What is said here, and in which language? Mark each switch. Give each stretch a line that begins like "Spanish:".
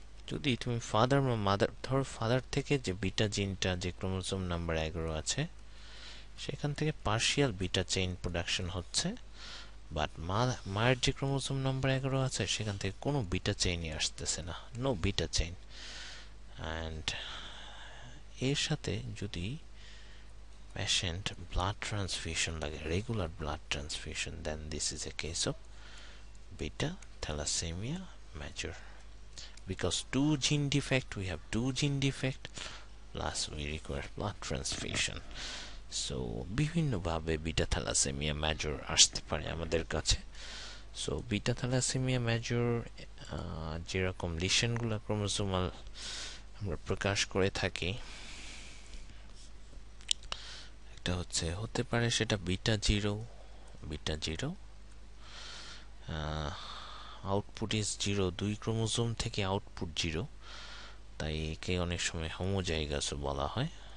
Bangla: যদি তুমি ফাদার বা মাদার, ধর ফাদার থেকে যে বিটা জিনটা, যে ক্রোমোসোম নাম্বার 11 আছে, সেখান থেকে পার্শিয়াল বিটা চেইন প্রোডাকশন হচ্ছে, বাট মায়ের যে ক্রোমোসোম নাম্বার 11 আছে সেখান থেকে কোনো বিটা চেইনই আসতেছে না, নো বিটা চেইন।
English: and
Bangla: এর সাথে যদি
English: patient blood transfusion
Bangla: লাগে,
English: Regular blood transfusion, then this is a case of beta thalassemia major. Because two gene defect, we have two gene defect, plus we require blood transfusion.
Bangla: So, বিভিন্ন ভাবে beta thalassaemia major আসতে পারে আমাদের কাছে। So beta thalassaemia major যেরকম লিশনগুলো chromosomal আমরা প্রকাশ করে থাকি, একটা হচ্ছে হতে পারে সেটা beta zero
English: output is zero,
Bangla: দুই ক্রোমোজোম থেকে আউটপুট জিরো, তাই একে অনেক সময় হোমোজাইগাসও বলা হয়।